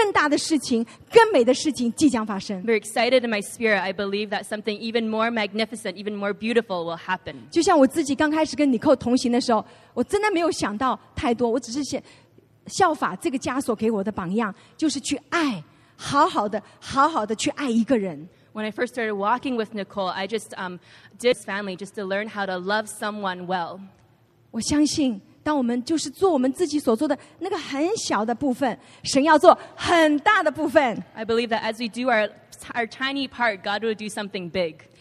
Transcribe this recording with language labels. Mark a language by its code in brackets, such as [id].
[zh] 我的灵里非常的兴奋，我相信更大的事情、更美的事情即将发生。 [en] Very excited in my spirit. I believe that something even more magnificent, even more beautiful will happen. [zh] 就像我自己刚开始跟 Nicole 同行的时候，我真的没有想到太多，我只是效法这个家所给我的榜样，就是去爱。 [en] When I first started walking with Nicole, I just did this family just to learn how to love someone well. [zh] 我相信，当我们就是做我们自己所做的那个很小的部分，神要做很大的部分。 [en] I believe that as we do our tiny part, God will do something big.